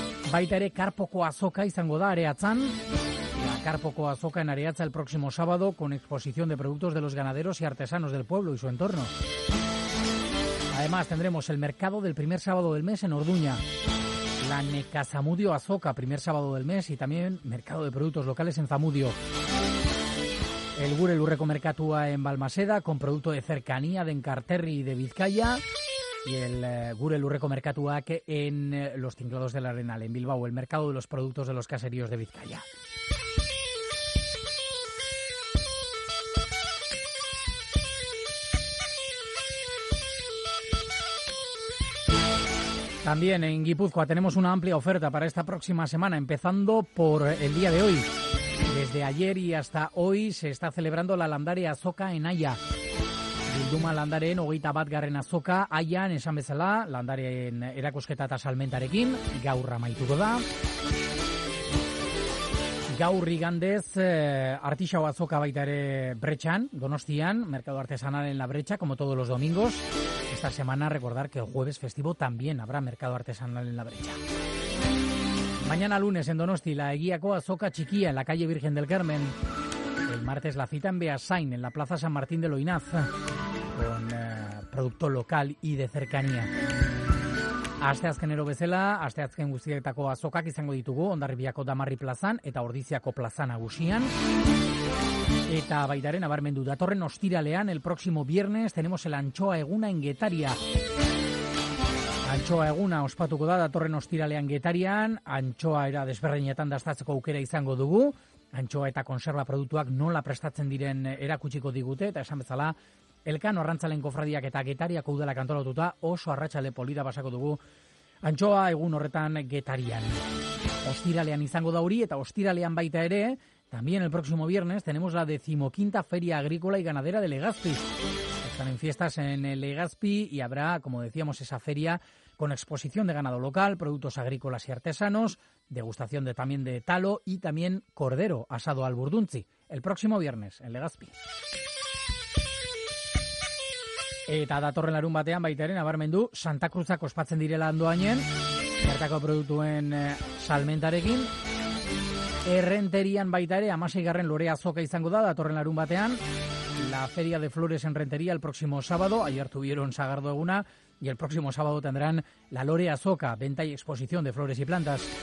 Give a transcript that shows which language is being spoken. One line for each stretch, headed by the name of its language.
Basque: Baita ere Karpoko Azoka izango da areatzan.
Spanish: La Karpoko Azoka en areatza el próximo sábado con exposición de productos de los ganaderos y artesanos del pueblo y su entorno. Además, tendremos el mercado del primer sábado del mes en Orduña, la Nekazamudio Azoka, primer sábado del mes, y también mercado de productos locales en Zamudio. El Gure Lurreko Merkatua en Balmaseda, con producto de cercanía de Enkarterri y de Vizcaya. Y el Gure Lurreko Merkatua en los Tinglados del Arenal, en Bilbao, el mercado de los productos de los caseríos de Vizcaya. También en Guipúzcoa tenemos una amplia oferta para esta próxima semana, empezando por el día de hoy. Desde ayer y hasta hoy se está celebrando la Landare Azoka en Aia.
Basque: Bilduma Landaren 21. Azoka, Aian, esan bezala, Landaren erakusketa eta salmentarekin, gaur amaituko da. Gaur igandez, Artisau Azoka baita ere Bretxan, Donostian,
Spanish: Mercado Artesanal en la Brecha, como todos los domingos. Esta semana recordar que el jueves festivo también habrá mercado artesanal en la Brecha. Mañana lunes en Donosti la Eguiako Azoka Txikia en la calle Virgen del Carmen. El martes la cita en Beasain en la plaza San Martín de Loinaz con producto local y de cercanía.
Basque: Asteazkenero bezala, asteazken guztietako azokak izango ditugu Hondarribiako Damarri plazan eta Ordiziako plazan nagusian. Eta baitaren abarmendu datorren ostiralean,
Spanish: el próximo viernes, tenemos el Antxoa Eguna en Getaria.
Basque: Antxoa Eguna ospatuko da datorren ostiralean Getarian, antxoa era desberdinetan dastatzeko aukera izango dugu, antxoa eta konserba produktuak nola prestatzen diren erakutsiko digute, eta esan bezala, Elkano Arrantzalen kofradiak eta Getariako udalak antolatuta oso arratsale polita pasako dugu antxoa egun horretan Getarian. Ostiralean izango da hori, eta ostiralean baita ere,
Spanish: también el próximo viernes tenemos la 15ª Feria Agrícola y Ganadera de Legazpi. Están en fiestas en Legazpi y habrá, como decíamos, esa feria con exposición de ganado local, productos agrícolas y artesanos, degustación de, también de talo y también cordero asado al burdunchi. El próximo viernes en Legazpi.
Basque: Eta datorren larunbatean baitaren abarmendu Santa Cruzak ospatzen direla andoainen, bertako produktuen salmentarekin. Errenterian baita ere, 16. Lore Azoka izango da, datorren larun batean.
Spanish: La Feria de Flores en Rentería el próximo sábado, ayer tuvieron Sagardo Eguna, y el próximo sábado tendrán la Lore Azoka, venta y exposición de flores y plantas.